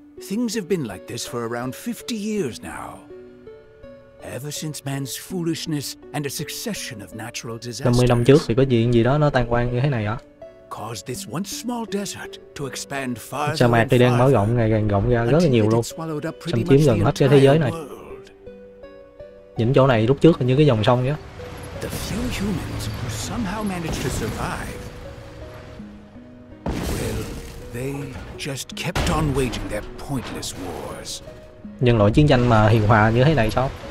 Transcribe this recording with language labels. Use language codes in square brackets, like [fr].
[en] Things have been like this for around 50 years now. Ever since man's foolishness and a succession of natural disasters. [vi] 50 năm trước thì có chuyện gì đó nó tan hoang như thế này hả? [en] Caused this one small desert to expand far. [vi] Sa mạc thì đang mở rộng ngày càng rộng ra rất là nhiều luôn, xâm chiếm gần hết cái thế giới này. Những chỗ này lúc trước là như cái dòng sông vậy. [en] The few humans who somehow managed to survive. Well, they just kept on waging their pointless wars. [vi] Nhân loại chiến tranh mà hiền hòa như thế này sao?